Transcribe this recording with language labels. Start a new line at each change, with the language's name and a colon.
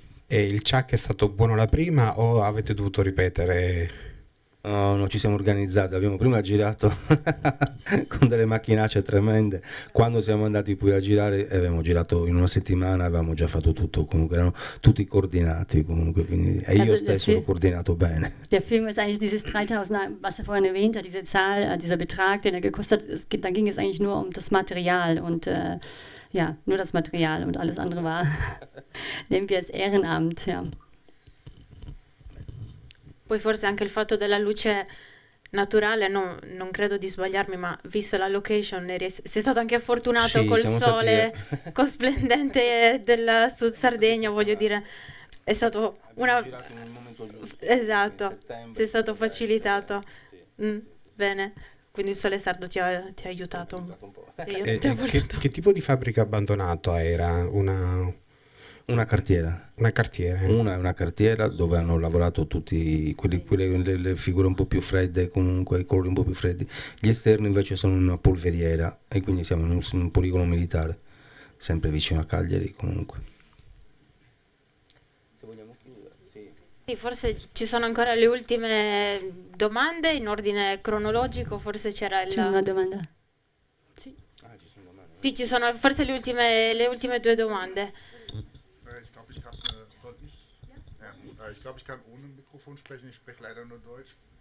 Italian: E il ciak è stato buono la prima o avete dovuto ripetere? No, ci siamo organizzati, abbiamo prima girato con delle macchinacce tremende, quando siamo andati poi a girare abbiamo girato in una settimana, avevamo già fatto tutto, comunque erano tutti coordinati comunque, quindi, e io also stesso l'ho coordinato bene.
German: Der Film ist eigentlich dieses 3000, was er vorhin erwähnt hat, diese Zahl, dieser Betrag, den er gekostet hat, da ging es eigentlich nur um das Material und ja, nur das Material und alles andere war, nehmen wir als Ehrenamt, ja.
Italian: Poi forse anche il fatto della luce naturale, no, non credo di sbagliarmi, ma visto la location, sei stato anche fortunato, sì, col sole splendente del Sud Sardegna, voglio dire, è stato una... Abbiamo girato in un momento giusto, esatto, sei stato facilitato. Sì. Bene, quindi il sole sardo ti ha aiutato un po'. Che tipo di fabbrica abbandonata era? Una cartiera. Una cartiera. Una è una cartiera dove hanno lavorato tutti quelle figure un po' più fredde, comunque i colori un po' più freddi. Gli esterni invece sono una polveriera, e quindi siamo in un poligono militare, sempre vicino a Cagliari comunque. Se vogliamo chiudere, sì. Sì, forse ci sono ancora le ultime domande in ordine cronologico, forse c'era c'è una domanda. Sì. Ci sono forse le ultime due domande.
German: ich glaube, ich habe. Soll ich? Ja. Ich glaube, ich kann ohne Mikrofon sprechen. Ich spreche leider nur Deutsch.